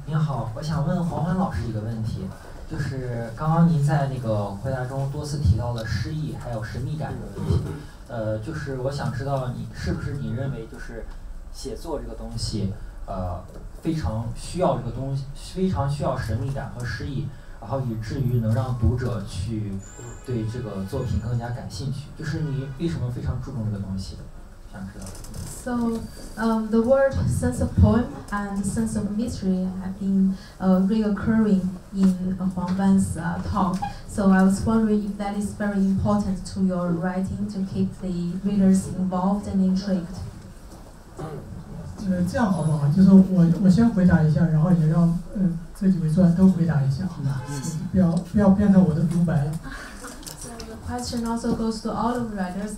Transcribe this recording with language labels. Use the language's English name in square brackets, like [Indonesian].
[Chinese] 你好，我想问黄欢老师一个问题。就是刚刚您在那个回答中多次提到了诗意，还有神秘感这个东西，就是我想知道你是不是你认为就是写作这个东西，非常需要这个东西，非常需要神秘感和诗意，然后以至于能让读者去对这个作品更加感兴趣，就是你为什么非常注重这个东西，想知道。So [English] the word sense of poem and sense of mystery have been reoccurring in Huang Fan's talk. So I was wondering if that is very important to your writing to keep the readers involved and intrigued. [Chinese] 这样好不好？就是我先回答一下，然后也让这几位作家都回答一下，好吗？不要变成我的独白了。 [English] So the question also goes to all of the writers.